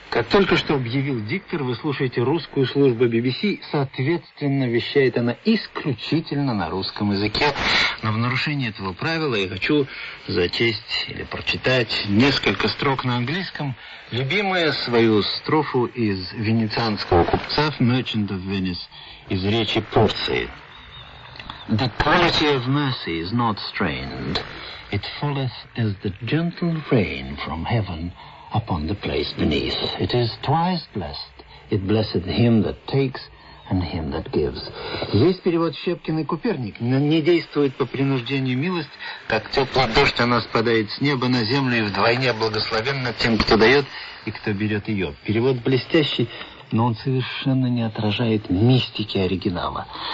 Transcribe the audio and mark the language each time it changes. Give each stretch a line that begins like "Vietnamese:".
Russian: Только что объявил диктор, вы слушаете русскую службу BBC, соответственно, вещает она исключительно на русском языке. Но в нарушение этого правила я хочу зачесть или прочитать несколько строк на английском. Любимая свою строфу из венецианского купца в Merchant of Venice, из речи Порции.
English: The quality of mercy is not strained. It falleth as the gentle rain from heaven upon the place beneath. It is twice blessed. It blesseth him that takes and him that gives.
Russian: Здесь перевод Щепкин и Куперник. Не действует по принуждению милость, как теплый дождь, она спадает с неба на землю и вдвойне благословенна тем, кто дает и кто берет ее. Перевод блестящий, но он совершенно не отражает мистики оригинала.